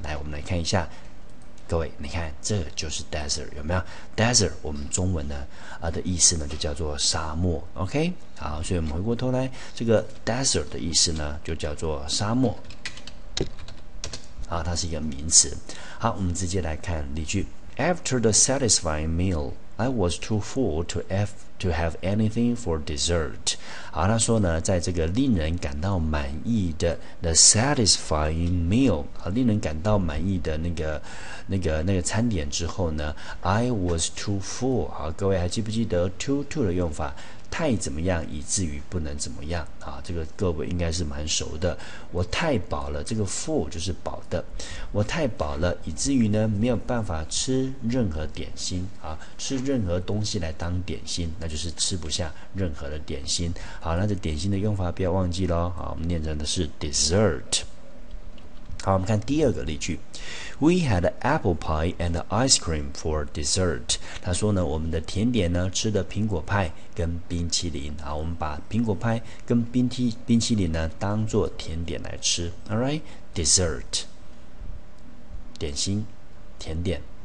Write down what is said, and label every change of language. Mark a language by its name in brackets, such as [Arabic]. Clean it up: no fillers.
[Chinese] 来，我们来看一下，各位你看，这就是 desert， 有没有？ desert 我们中文呢的意思呢就叫做沙漠， OK。好，所以我们回过头来，这个 desert 的意思呢就叫做沙漠啊，它是一个名词。好，我们直接来看例句。 [English] After the satisfying meal I was too full to have anything for dessert。 [Chinese] 好，他说呢在这个令人感到满意的 [English] the satisfying meal [Chinese] 好，令人感到满意的那个餐点之后呢 [English] I was too full。 [Chinese] 好，各位还记不记得 too 的用法，太怎么样以至于不能怎么样啊，这个各位应该是蛮熟的。我太饱了，这个 full 就是饱的，我太饱了以至于呢没有办法吃任何点心啊，吃任何东西来当点心，那就是吃不下任何的点心。好，那这点心的用法不要忘记咯。好，我们念成的是 dessert。好，我们看第二个例句。 [English] We had apple pie and ice cream for dessert. [Chinese] 他说呢，我们的甜点呢，吃的苹果派跟冰淇淋。好，我们把苹果派跟冰淇淋呢，当作甜点来吃。 [English] All right, dessert, [Chinese] 点心，甜点。